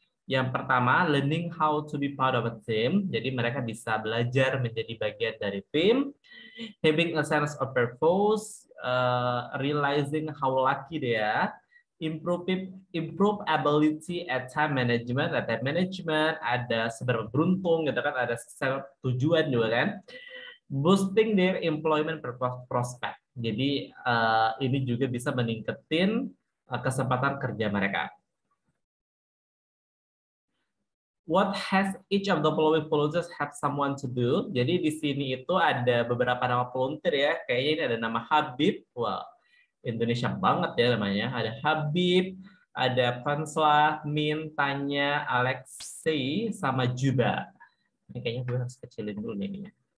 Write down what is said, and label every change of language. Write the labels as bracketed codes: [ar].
[id] Yang pertama, [en] learning how to be part of a team. [id] Jadi mereka bisa belajar menjadi bagian dari tim. [en] Having a sense of purpose, realizing how lucky they are. Improve ability at time management, [id] ada seberapa beruntung, gitu kan, ada tujuan juga kan. [en] Boosting their employment prospect. [id] Jadi ini juga bisa meningkatin kesempatan kerja mereka. [en] What has each of the following volunteers have someone to do? [id] Jadi di sini itu ada beberapa nama volunteer ya. Kayaknya ini ada nama Habib. Wow. Indonesia banget ya namanya. Ada Habib, ada Fansla, Min, Tanya, Alexei, sama Juba. Ini kayaknya gue harus kecilin dulu nih. Ya.